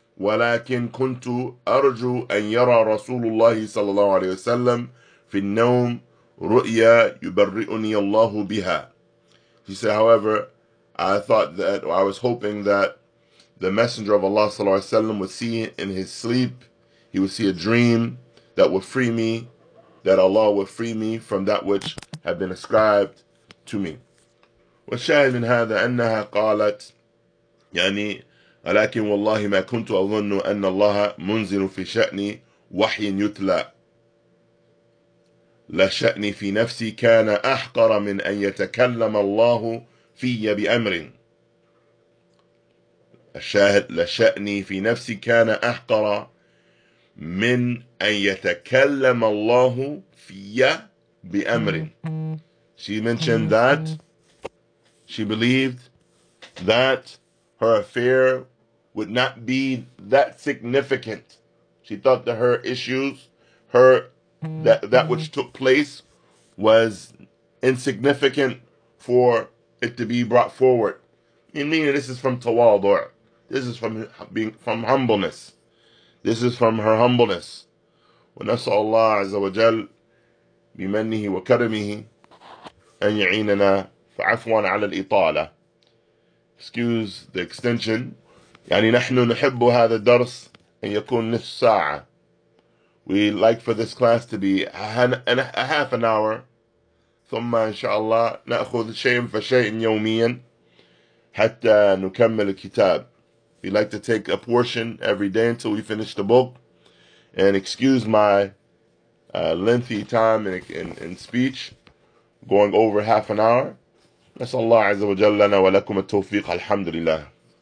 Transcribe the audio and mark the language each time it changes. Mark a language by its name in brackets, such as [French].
[Arabic] ولكن كنت أرجو أن يرى رسول الله صلى الله عليه وسلم في النوم رؤيا يبرئني الله بها. [English] She said, however, I thought that, or I was hoping that the Messenger of Allah صلى الله عليه وسلم would see in his sleep, he would see a dream that would free me, that Allah would free me from that which had been ascribed to me. [Arabic] والشاهد من هذا أنها قالت يعني ولكن والله ما كنت أظن أن الله منزل في شأني وحي يتلى لشأني في نفسي كان أحقر من أن يتكلم الله في بأمر الشاهد لشأني في نفسي كان أحقر من أن يتكلم الله في بأمر. [English] She mentioned that she believed that her affair would not be that significant. She thought that her issues, her that which took place was insignificant for it to be brought forward. Meaning this is from tawadu'. This is from being from humbleness. This is from her humbleness. [Arabic] ونسأل الله عز وجل بمنه وكرمه أن يعيننا فعفوا على الإطالة. [English] Excuse the extension. [Arabic] يعني نحن نحب هذا الدرس أن يكون نصف ساعة. [English] We like for this class to be a half an hour. [Arabic] ثم إن شاء الله نأخذ شيء فشيء يوميا حتى نكمل الكتاب. [English] We like to take a portion every day until we finish the book. And excuse my lengthy time in speech, going over half an hour. [Arabic] نسأل الله عز وجل لنا ولكم التوفيق. الحمد لله.